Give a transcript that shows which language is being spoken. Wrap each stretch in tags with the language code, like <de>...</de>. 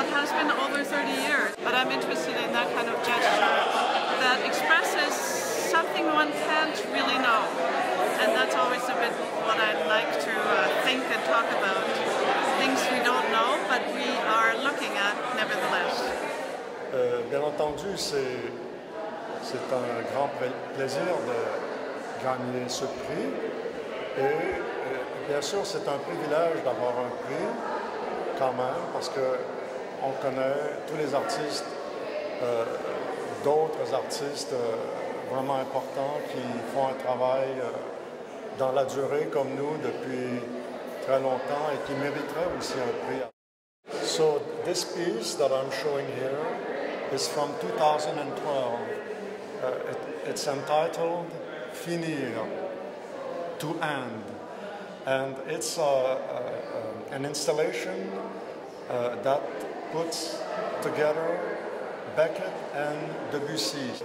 <en>what has been over 30 years. But I'm interested in that kind of gesture that expresses something one can't really know. And that's always a bit what I'd like to think and talk about. Things we don't know, but we are looking at nevertheless.</en> <fr>Bien entendu, c'est un grand plaisir de gagner ce prix. Et bien sûr, c'est un privilège d'avoir un prix quand même, parce qu'on connaît tous les artistes, d'autres artistes vraiment importants qui font un travail dans la durée comme nous depuis très longtemps et qui mériteraient aussi un prix.</fr> <en>So this piece that I'm showing here is from 2012. It's entitled Finir, to end. And it's an installation that puts together Beckett and Debussy.</en>